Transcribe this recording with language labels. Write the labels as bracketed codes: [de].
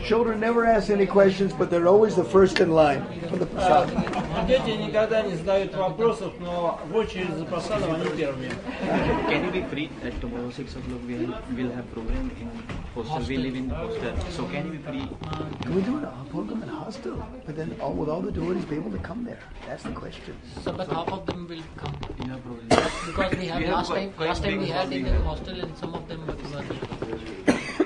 [en] Children never ask any questions, but they're always the first in line for the prasad. [ru] Дети никогда не задают вопросов, но в очередь за прасадом они первые. [en] Can you be free at tomorrow 6 o'clock? We'll have program in hostel. We live in hostel, so can you be free? Can we do a program in hostel? But then, will all the devotees be able to come there? That's the question. So, but half of them will come. No problem. Because last time we had in the hostel, and some of them were.